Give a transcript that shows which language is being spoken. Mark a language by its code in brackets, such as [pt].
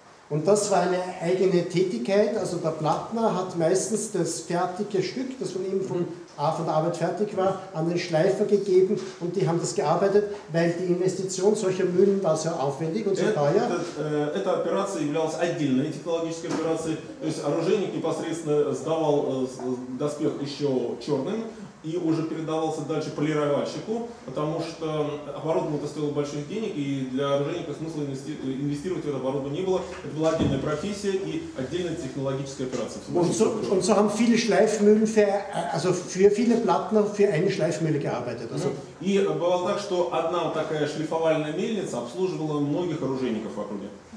[de] Und das war eine eigene Tätigkeit, also der Plattner hat meistens das fertige Stück, das von ihm von der Arbeit fertig war, an den Schleifer gegeben und die haben das gearbeitet, weil die Investition solcher Mühlen war sehr aufwendig und sehr teuer. [ru] Эта операция являлась отдельной технологической операцией, то есть оружейник непосредственно сдавал доспех еще черным и уже передавался дальше полировальщику, потому что оборудование это стоило больших денег, и для оружейника смысла инвестировать в это оборудование не было. Это была отдельная профессия и отдельная технологическая операция. [de] Und so haben viele Schleifmühlen für viele Plattner für eine Schleifmühle gearbeitet. Also, [ru] и бывало так, что одна такая шлифовальная мельница обслуживала многих оружейников в округе.